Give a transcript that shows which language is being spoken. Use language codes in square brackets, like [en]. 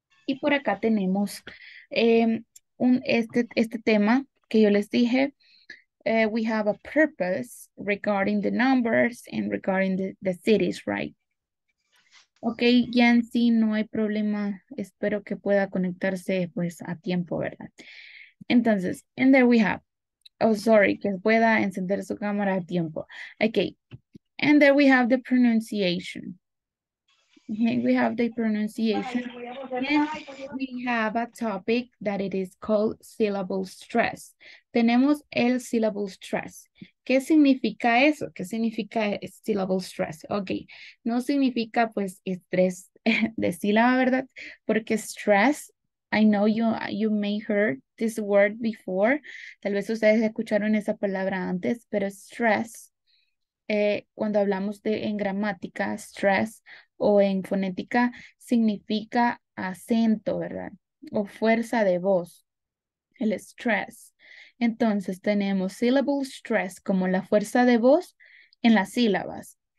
[es] Y por acá tenemos este tema que yo les dije. [en] We have a purpose regarding the numbers and regarding the cities, right? [es] Ok, Yancy, no hay problema. Espero que pueda conectarse pues a tiempo, ¿verdad? Entonces, [en] and there we have. Oh, sorry, [es] que pueda encender su cámara a tiempo. [en] Ok, and there we have the pronunciation. Okay, we have the pronunciation. And we have a topic that it is called syllable stress. [es] Tenemos el syllable stress. ¿Qué significa eso? ¿Qué significa syllable stress? Ok, no significa pues estrés de sílaba, ¿verdad? Porque [en] stress, I know you may heard this word before. [es] Tal vez ustedes escucharon esa palabra antes, pero stress, cuando hablamos de en gramática, stress o en fonética, significa acento, ¿verdad? O fuerza de voz, el stress. Entonces tenemos syllable stress como la fuerza de voz en las sílabas.